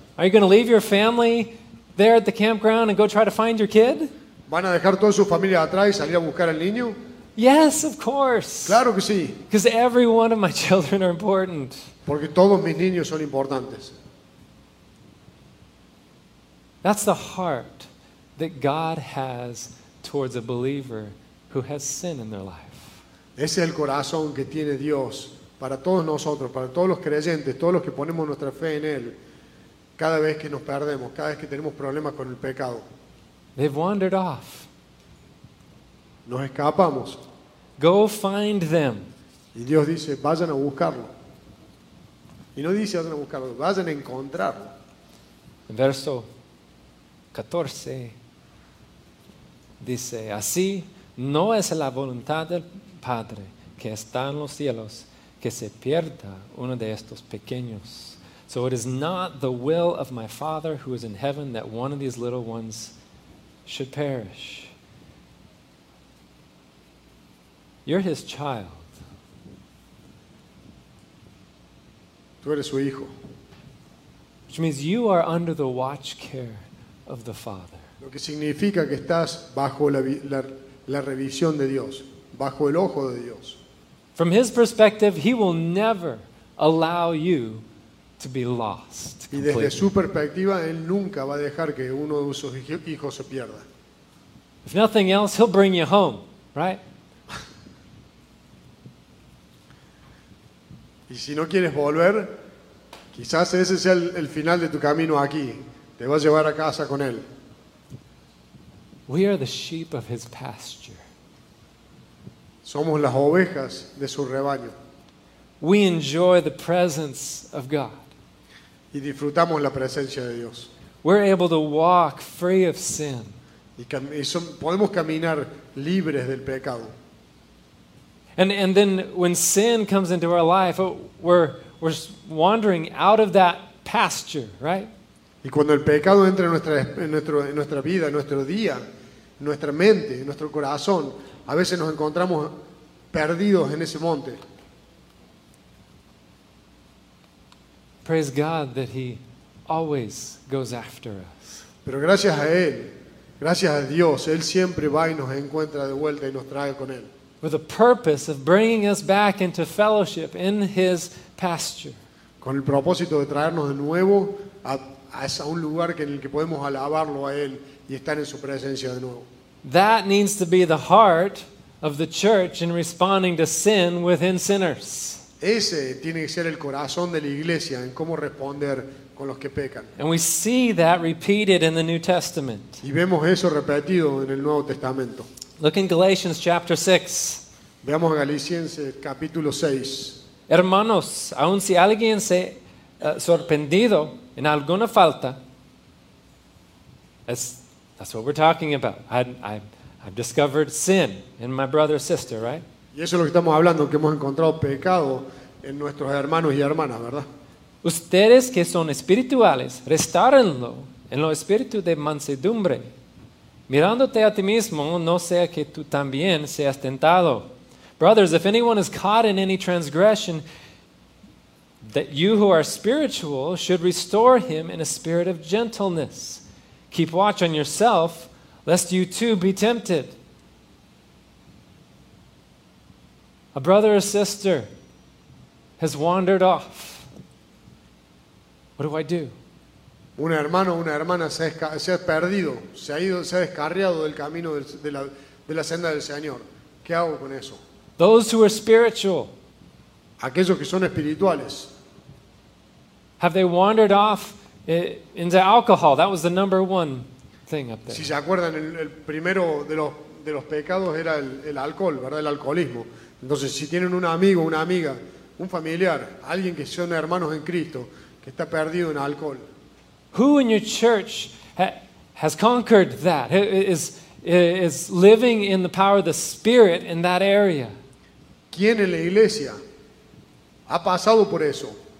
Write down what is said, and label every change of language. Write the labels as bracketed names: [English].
[English] Are you going to leave your family there at the campground and go try to find your kid? [Spanish] ¿Van a dejar toda su familia atrás y salir a buscar al niño? [English] Yes, of course. [Spanish] Claro que sí. [English] Because every one of my children are important. [Spanish] Porque todos mis niños son importantes. [English] That's the heart that God has towards a believer who has sin in their life. [Spanish] Ese es el corazón que tiene Dios para todos nosotros, para todos los creyentes, todos los que ponemos nuestra fe en Él, cada vez que nos perdemos, cada vez que tenemos problemas con el pecado. [English] They've wandered off. [Spanish] Nos escapamos. [English] Go find them. [Spanish] Y Dios dice, vayan a buscarlo. Y no dice, vayan a buscarlo, vayan a encontrarlo. En verso 14 dice, así no es la voluntad del Padre que está en los cielos que se pierda uno de estos pequeños. [English] So it is not the will of my Father who is in heaven that one of these little ones should perish. You're his child. [Spanish] Tú eres su hijo. [English] Which means you are under the watch care of the Father. [Spanish] Lo que significa que estás bajo la revisión de Dios, bajo el ojo de Dios. [English] From his perspective, he will never allow you to be lost. [Spanish] Y desde su perspectiva, él nunca va a dejar que uno de sus hijos se pierda. [English] If nothing else, he'll bring you home, right? [Spanish] Y si no quieres volver, quizás ese sea el final de tu camino aquí. Te vas a llevar a casa con él. [English] We are the sheep of his pasture. [Spanish] Somos las ovejas de su rebaño. [English] We enjoy the presence of God. [Spanish] Y disfrutamos la presencia de Dios. [English] We're able to walk free of sin. [Spanish] Podemos caminar libres del pecado. [English] And then when sin comes into our life, we're wandering out of that pasture, right? [Spanish] Y cuando el pecado entra en nuestra vida, en nuestro día, en nuestra mente, en nuestro corazón, a veces nos encontramos perdidos en ese monte. [English] Praise God that he always goes after us. [Spanish] Pero gracias a él Gracias a Dios, Él siempre va y nos encuentra de vuelta y nos trae con Él. [English] With a purpose of bringing us back into fellowship in His pasture. [Spanish] Con el propósito de traernos de nuevo a un lugar en el que podemos alabarlo a Él y estar en su presencia de nuevo. [English] That needs to be the heart of the church in responding to sin within sinners. [Spanish] Ese tiene que ser el corazón de la iglesia en cómo responder con los que pecan. [English] And we see that repeated in the New Testament. [Spanish] Y vemos eso repetido en el Nuevo Testamento. [English] Look in Galatians chapter 6. [Spanish] Veamos a Galicienses capítulo 6. Hermanos, aun si alguien se sorprendido en alguna falta, [English] that's what we're talking about. I've discovered sin in my brother or sister, right? [Spanish] Y eso es lo que estamos hablando, que hemos encontrado pecado en nuestros hermanos y hermanas, ¿verdad? Ustedes que son espirituales, restárenlo en lo espíritu de mansedumbre, mirándote a ti mismo, no sea que tú también seas tentado. [English] Brothers, if anyone is caught in any transgression, that you who are spiritual should restore him in a spirit of gentleness. Keep watch on yourself, lest you too be tempted. A brother or sister has wandered off. What do I do? [Spanish] Un hermano o una hermana se ha perdido, se ha ido, se ha descarriado del camino de la senda del Señor. ¿Qué hago con eso? [English] Those who are spiritual. [Spanish] Aquellos que son espirituales. [English] Have they wandered off into alcohol? That was the number one thing up there. [Spanish] Si se acuerdan, el primero de los pecados era el alcohol, ¿verdad? El alcoholismo. Entonces, si tienen un amigo, una amiga, un familiar, alguien que son hermanos en Cristo, que está perdido en alcohol. [English] Who in your church has conquered that? Is living in the power of the Spirit in that area? [Spanish] ¿Quién en la iglesia ha pasado por eso?